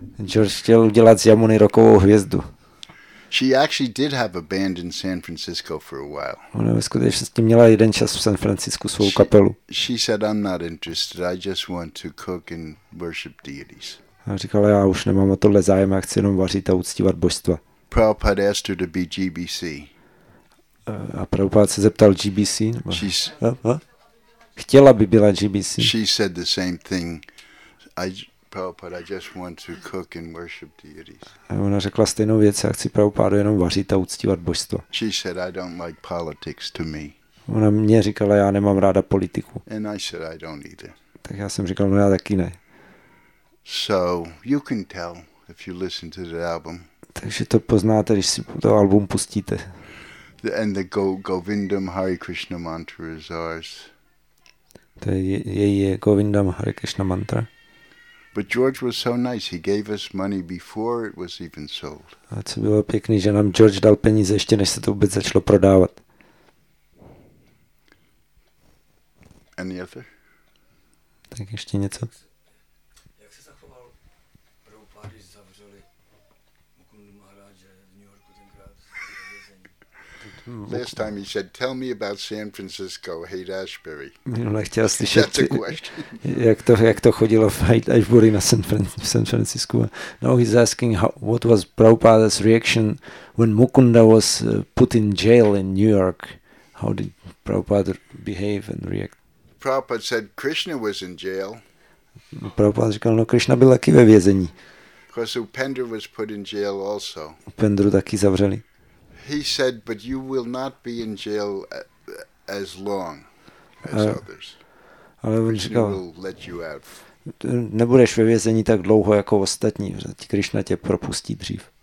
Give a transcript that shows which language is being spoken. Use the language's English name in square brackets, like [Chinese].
[Czech] George chtěl udělat z Yamuny rockovou hvězdu. [English] She actually did have a band in San Francisco for a while. [Czech] Ona ve skutečnosti měla jeden čas v San Francisku svou kapelu. [English] She said, I'm not interested, I just want to cook and worship deities. [Czech] A říkala, já už nemám o tohle zájem, já chci jenom vařit a uctívat božstva. [English] Prabhupada asked her to be GBC. [Czech] A Prabhupada se zeptal GBC. [English] She's, [Czech] chtěla by byla GBC. [English] She said the same thing. Prabhupada, I just want to cook and worship deities. [Czech] A ona řekla stejnou věc, já chci Prabhupádu jenom vařit a uctívat božstvo. [English] She said, I don't like politics to me. [Czech] Ona mě říkala, já nemám ráda politiku. [English] And I said, I don't either. [Czech] Tak já jsem říkal, no já taky ne. [English] So, you can tell if you listen to the album. [Czech] Takže to poznáte, když si to album pustíte. [English] And the Govindam Hare Krishna mantra is ours. [Czech] To je její Govindam Hare Krishna mantra. [English] But George was so nice. He gave us money before it was even sold. [Czech] A co bylo pěkný, že nám George dal peníze ještě než se to vůbec začalo prodávat. [English] Any other? [Czech] Tak ještě něco? Jak se zachoval Prabhupada, když zavřeli Mukundu Maharaje v New Yorku tenkrát ve vězení? [English] Last time he said, tell me about San Francisco, Haight Ashbury. [Czech] Minule chtěl slyšet, jak to chodilo v Haight Ashbury na San Francisco. [English] Now he's asking what was Prabhupada's reaction when Mukunda was put in jail in New York. How did Prabhupada behave and react? Prabhupada said Krishna was in jail. [Czech] Prabhupada říkal, no Krishna byl taky ve vězení. [English] Because Upendra was put in jail also. [Czech] Upendru taky zavřeli. [English] He said, but you will not be in jail as long. [Czech] Ale on říkal, [English] will let you out. [Czech] Nebudeš ve vězení tak dlouho jako ostatní, protože Krišna tě propustí dřív.